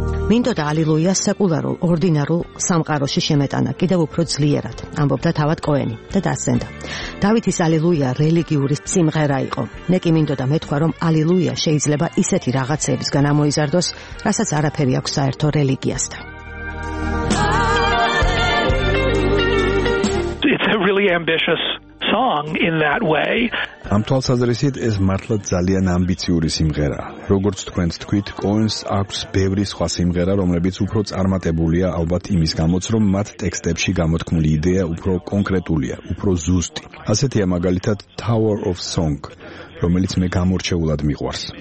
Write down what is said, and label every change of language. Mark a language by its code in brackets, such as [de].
[ka] მინდოდა ალილუია სეკულარულ, ორდინარულ სამყაროში შემეტანა, კიდევ უფრო ძლიერად, ამბობდა თავად კოენი და დასცენდა. დავითის ალილუია რელიგიური სიმღერა იყო. მე კი მინდოდა მეთქვა, რომ ალილუია შეიძლება ისეთი რაღაცებისგან ამოიზარდოს, რასაც არაფერი აქვს საერთო რელიგიასთან. [en] It's a really ambitious song in that way. [ka] ამ თვალსაზრისით ეს მართლა ძალიან ამბიციური სიმღერაა. როგორც თქვენც თქვით, კოენს აქვს ბევრი სხვა სიმღერა, რომლებიც უფრო წარმატებულია, ალბათ იმის გამოც, რომ მათ ტექსტებში გამოთქმული იდეა უფრო კონკრეტულია, უფრო ზუსტი. ასეთია მაგალითად Tower of Song, რომელიც მე გამორჩეულად მიყვარს.